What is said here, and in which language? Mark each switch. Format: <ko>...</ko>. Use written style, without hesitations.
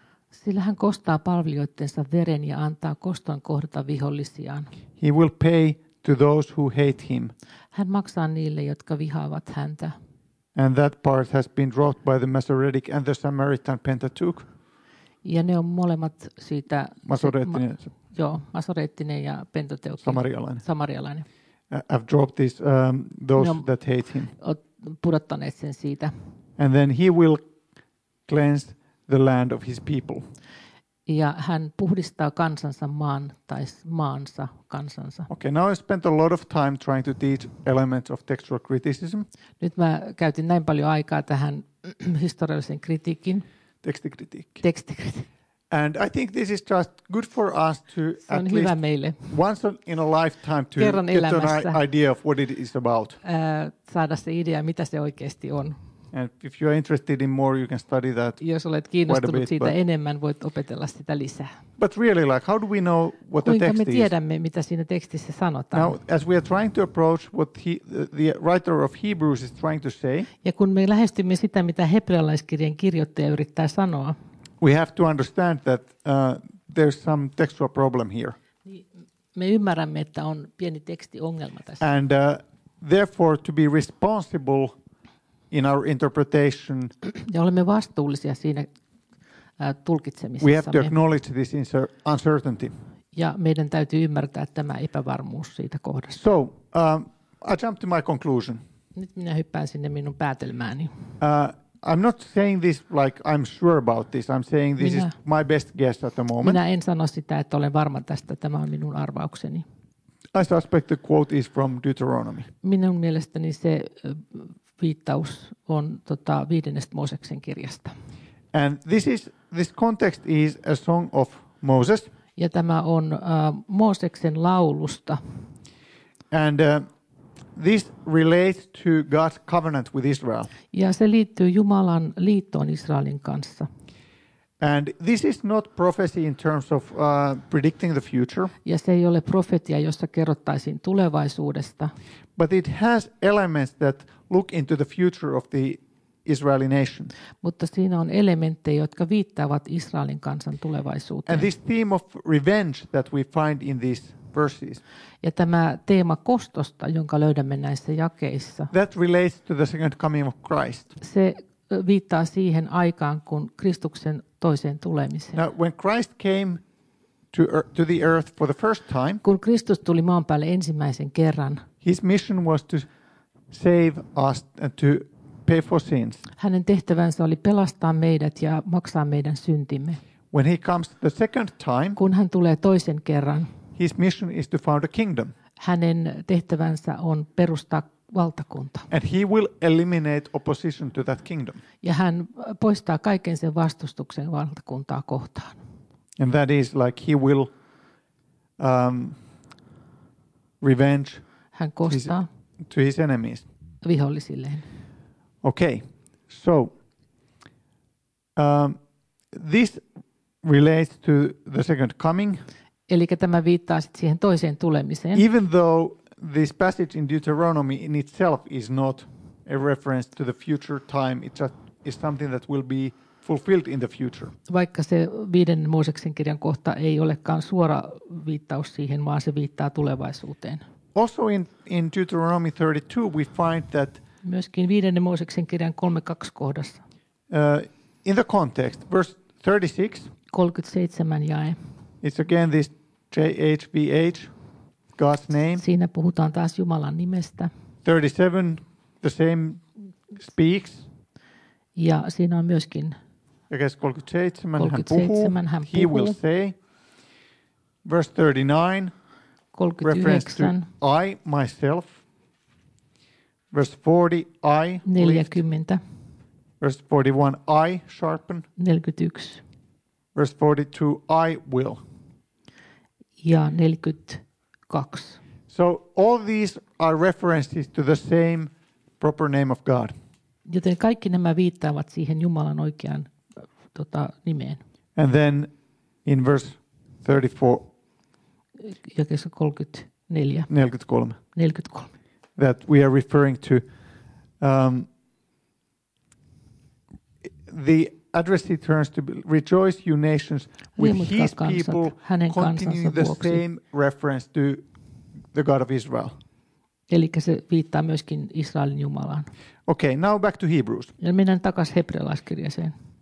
<fi>Sillä hän kostaa palvelijoittensa veren ja antaa koston kohdata vihollisiaan.</fi> <en>He will pay to those who hate him.</en> <fi>Hän maksaa niille, jotka vihaavat häntä.</fi> <en>And that part has been dropped by the Masoretic and the Samaritan Pentateuch.</en> <fi>Ja ne on molemmat siitä Masoreettinen. Masoreettinen ja Pentateuch. Samarialainen.</fi> <en>I've dropped this those</en> <fi>ne</fi> <en>that hate him.</en> <fi>Pudottaneet sen siitä.</fi> <en>And then he will cleanse the land of his people.</en> <fi>Ja hän puhdistaa kansansa maan tai maansa kansansa.</fi> <en>Okay, now I spent a lot of time trying to teach elements of textual criticism.</en> <fi>Nyt mä käytin näin paljon aikaa tähän historiallisen kritiikin. Tekstikritiikki.</fi> <en>And I think this is just good for us to</en> <fi>se on hyvä meille.</fi> <en>Once in a lifetime to</en> <fi>kerran</fi> <en>get an idea of what it is about.</en> <fi>Saada se idea, mitä se oikeasti on.</fi> <en>And if you are interested in more, you can study that.</en> <fi>Jos olet kiinnostunut bit, siitä enemmän, voit opetella sitä lisää.</fi> <en>But really, like, how do we know what the text is?</en> <fi>Kuinka me tiedämme, mitä siinä tekstissä sanotaan?</fi> <en>Now, as we are trying to approach what the writer of Hebrews is trying to say.</en> <fi>Ja kun me lähestymme sitä, mitä hebrealaiskirjan kirjoittaja yrittää sanoa.</fi> <en>We have to understand that there's some textual problem here.</en> <fi>Me ymmärrämme, että on pieni tekstiongelma tässä.</fi> <en>And therefore, to be responsible in our interpretation.</en> <fi>Ja olemme vastuullisia siinä tulkitsemisessa.</fi> <en>We have to acknowledge this uncertainty.</en> <fi>Ja meidän täytyy ymmärtää tämä epävarmuus siitä kohdasta.</fi> <en>So, I jump to my conclusion.</en> <fi>Nyt minä hyppään sinne minun päätelmääni.</fi> <en>I'm not saying this like I'm sure about this. I'm saying this is my best guess at the moment.</en> <fi>Minä en sano sitä, että olen varma tästä. Tämä on minun arvaukseni.</fi> <en>I suspect the quote is from Deuteronomy.</en> <fi>Minun mielestäni se viittaus on viidennestä Mooseksen kirjasta.</fi> <en>And this context is a song of Moses.</en> <fi>Ja tämä on Mooseksen laulusta.</fi> <en>And this relates to God's covenant with Israel.</en> <fi>Ja se liittyy Jumalan liittoon Israelin kanssa.</fi> <en>And this is not prophecy in terms of predicting the future.</en> <fi>Ja se ei ole profetia, jossa kerrottaisiin tulevaisuudesta.</fi> <en>But it has elements that look into the future of the Israeli nation.</en> <fi>Mutta siinä on elementtejä, jotka viittaavat Israelin kansan tulevaisuuteen.</fi> <en>And this theme of revenge that we find in these verses.</en> <fi>Ja tämä teema kostosta, jonka löydämme näissä jakeissa.</fi> <en>That relates to the second coming of Christ.</en> <fi>Se viittaa siihen aikaan, kun Kristuksen toiseen tulemiseen.</fi> <en>Now, when Christ came to the earth for the first time,</en> <fi>kun Kristus tuli maan päälle ensimmäisen kerran,</fi> <en>his mission was to save us and to pay for sins.</en> <fi>Hänen tehtävänsä oli pelastaa meidät ja maksaa meidän syntimme.</fi> <en>When he comes the second time,</en> <fi>kun hän tulee toisen kerran,</fi> <en>his mission is to found a kingdom.</en> <fi>Hänen tehtävänsä on perustaa valtakunta.</fi> <en>And he will eliminate opposition to that kingdom.</en> <fi>Ja hän poistaa kaiken sen vastustuksen valtakuntaa kohtaan.</fi> <en>And that is like he will revenge.</en> <fi>Hän kostaa</fi> <en>to his enemies.</en> <fi>Vihollisilleen.</fi> <en>Okay. So this relates to the second coming.</en> <fi>Eli tämä viittaa sitten siihen toiseen tulemiseen.</fi> <en>Even though this passage in Deuteronomy in itself is not a reference to the future time, it just is something that will be fulfilled in the future.</en> <fi>Vaikka se viiden Mooseksen kirjan kohta ei olekaan suora viittaus siihen, vaan se viittaa tulevaisuuteen.</fi> <en>Also in Deuteronomy 32 we find that</en> <fi>myöskin viiden Mooseksen kirjan 3:2 kohdassa.</fi> <en>In the context verse 36</en> <fi>37 jae.</fi> <en>It's again this JHVH, God's name.</en> <fi>Siinä puhutaan taas Jumalan nimestä.</fi> <en>37, the same speaks.</en> <fi>Ja siinä on myöskin.</fi> <en>I guess 37,</en> <fi>hän puhuu.</fi> <en>He will say. Verse 39, 39, reference to I, myself. Verse 40, I. 40. Verse 41, I sharpen. 41. Verse 42, I will.</en> <fi>Ja 42.</fi> <en>So all these are references to the same proper name of God.</en> <fi>Joten kaikki nämä viittaavat siihen Jumalan oikeaan nimeen.</fi> <en>And then in verse 34.</en> <fi>Jakeessa 34. 43. 43.</fi> <en>That we are referring to the address he turns to rejoice you nations with his people</en> <fi>hänen</fi> <en>continuing the</en> <fi>vuoksi.</fi> <en>Same reference to the God of Israel.</en> <fi>Eli se viittaa myöskin Israelin Jumalaan.</fi> <en>Okay, now back to Hebrews.</en> <fi>Ja mennään takas hebrealaiskirjaseen.</fi>